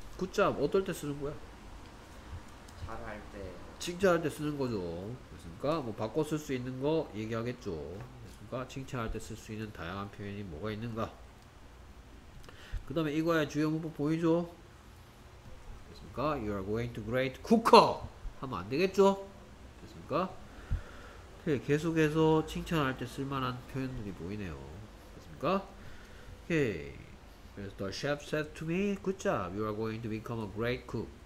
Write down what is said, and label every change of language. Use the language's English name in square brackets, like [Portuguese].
[English] Good job, [Korean] 어떨 때 쓰는 거야? 잘할 때. 칭찬할 때 쓰는 거죠. 그렇습니까? 뭐 바꿔 쓸 수 있는 거 얘기하겠죠. 그렇습니까? 칭찬할 때 쓸 수 있는 다양한 표현이 뭐가 있는가. 그 다음에 이거의 주요 문법 보이죠? [English] You are going to great cooker [Korean] 하면 안되겠죠? 됐습니까? 오케이, 계속해서 칭찬할 때 쓸만한 표현들이 보이네요. 됐습니까? 오케이. [English] The chef said to me, good job, you are going to become a great cook.